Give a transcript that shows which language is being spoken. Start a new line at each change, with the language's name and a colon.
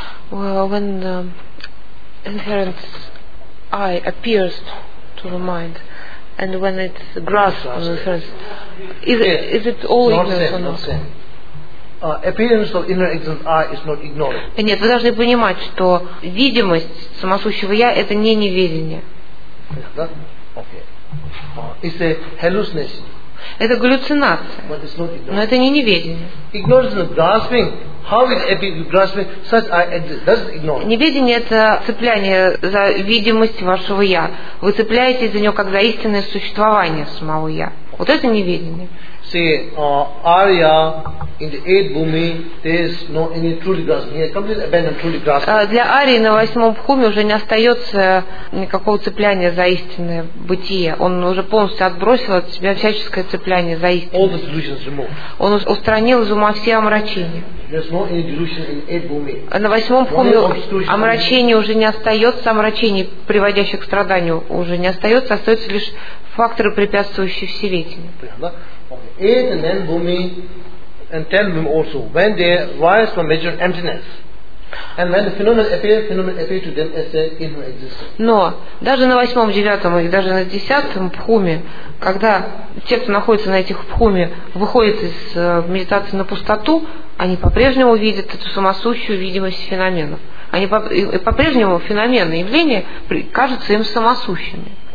English: Well, when the inherent I appears to the mind, and when it grasps on the inherent, is it all ignorance or not? Appearance of inner existent I is not ignorance.
Russian: Нет, вы должны понимать, что видимость самосущего я это не неведение.
English: Okay. It's a hallucination.
Russian: Это галлюцинация.
English: But it's not ignorance.
Russian: Но это не неведение.
English: Ignorance is not grasping. How is grasping such I exist? That's ignorance.
Russian: Неведение это цепляние за видимость вашего я. Вы цепляетесь за него как за истинное существование самого я. Вот это неведение.
English: See, Arya in the eighth bhumi, there's no any truly grasping. He completely abandoned truly grasping.
Russian: Для Арии на восьмом бхуме уже не остается никакого цепляния за истинное бытие. Он уже полностью отбросил от себя всяческое цепляние за истинное.
English: All the delusions removed.
Russian: Он устранил из ума все омрачения.
English: There's no any delusion in eighth bhumi.
Russian: На восьмом бхуме омрачение уже не остается, омрачение, приводящее к страданию, уже не остается, остаются лишь факторы, препятствующие всеведению.
English: Eight and nine bhumi and ten bhumi also, when they rise from measured emptiness, and when the phenomena appear to them as their inner existence.
Russian: Но даже на восьмом, девятом и даже на десятом бхуме, когда те, кто находится на этих бхуме, выходят из медитации на пустоту, они по-прежнему видят эту самосущую видимость феноменов. Они по-прежнему феномены, явления кажутся им самосущими.